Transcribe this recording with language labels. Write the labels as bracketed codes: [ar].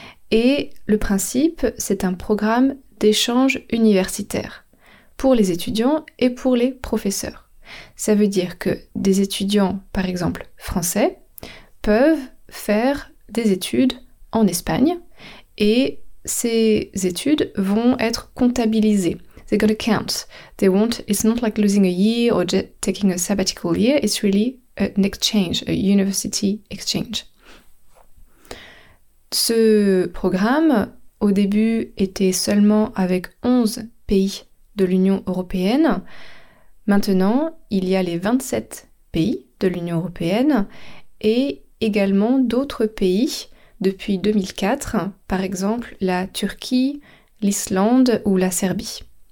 [fr] Et le principe, c'est un programme d'échange universitaire pour les étudiants et pour les professeurs. Ça veut dire que des étudiants, par exemple français, peuvent faire des études en Espagne et ces études vont être comptabilisées. [en] They're going to count. They won't. It's not like losing a year or just taking a sabbatical year. It's really an exchange, a university exchange. [fr] Ce programme, au début, était seulement avec 11 pays de l'Union européenne. Maintenant, il y a les 27 pays de l'Union européenne et également d'autres pays depuis 2004, par exemple la Turquie, l'Islande ou la Serbie.